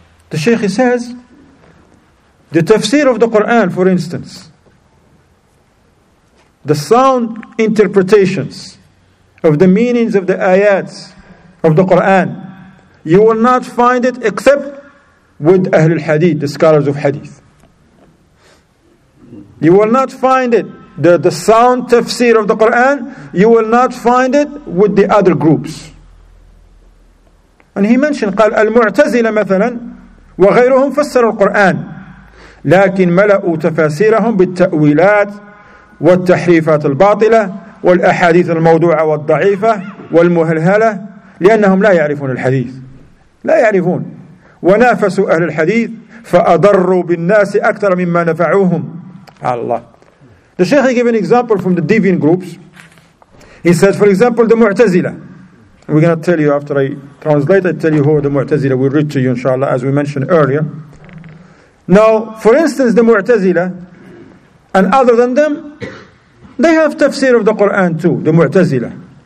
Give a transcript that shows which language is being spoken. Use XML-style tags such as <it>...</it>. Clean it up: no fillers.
<en>The Shaykh says, the tafsir of the Quran, for instance, the sound interpretations of the meanings of the ayats of the Qur'an, you will not find it except with Ahlul Hadith, the scholars of Hadith. You will not find it, the sound tafsir of the Qur'an, you will not find it with the other groups. And he mentioned,</en> <ar>قال المعتزلة مثلا وغيرهم فسر القرآن لكن ملأوا تفاسيرهم بالتأويلات والتحريفات الباطلة والأحاديث الموضوعة والضعيفة والمهلهلة لأنهم لا يعرفون الحديث لا يعرفون ونافسوا أهل الحديث فأضروا بالناس أكثر مما نفعوهم على الله.</ar> <en>The Shaykh gave an example from the deviant groups. He said, for example, the Mu'tazila. We're going to tell you after I translate, I tell you who are the Mu'tazila. We'll read to you inshallah as we mentioned earlier. Now, for instance, the Mu'tazila, and other than them, they have tafsir of the Qur'an too, the Mu'tazila.</en>